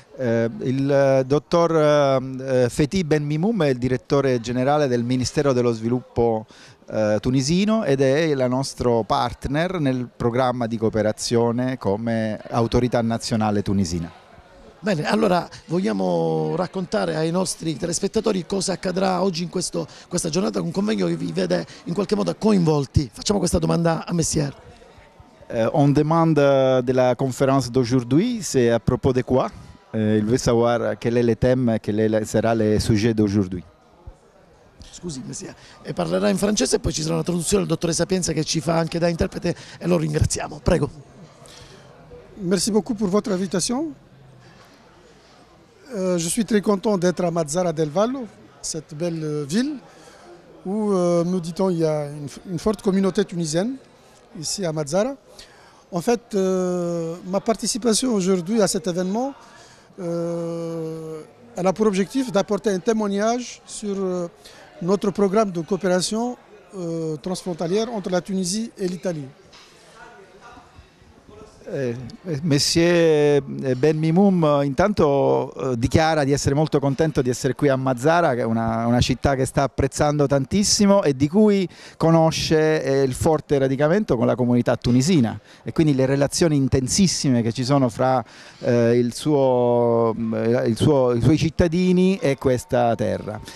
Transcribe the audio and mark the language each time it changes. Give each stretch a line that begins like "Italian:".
Italian: Il dottor Fethi Ben Mimoum è il direttore generale del Ministero dello Sviluppo tunisino ed è il nostro partner nel programma di cooperazione come autorità nazionale tunisina. Bene, allora vogliamo raccontare ai nostri telespettatori cosa accadrà oggi in questa giornata, un convegno che vi vede in qualche modo coinvolti. Facciamo questa domanda a Messier.
French: On demande de la conférence d'aujourd'hui, c'est à propos de quoi? Il veut savoir quel est le thème, quel sera le sujet d'aujourd'hui.
Italian: Scusi, Messia, e parlerà in francese e poi ci sarà una traduzione del dottore Sapienza che ci fa anche da interprete e lo ringraziamo. Prego.
French: Merci beaucoup pour votre invitation. Je suis très content d'être à Mazara del Vallo, cette belle ville où, nous dit-on, il y a une forte communauté tunisienne ici à Mazara. En fait, ma participation aujourd'hui à cet événement, elle a pour objectif d'apporter un témoignage sur notre programme de coopération transfrontalière entre la Tunisie et l'Italie.
Italian: Monsieur Ben Mimoum, intanto dichiara di essere molto contento di essere qui a Mazara, che è una città che sta apprezzando tantissimo e di cui conosce il forte radicamento con la comunità tunisina, e quindi le relazioni intensissime che ci sono fra i suoi cittadini e questa terra.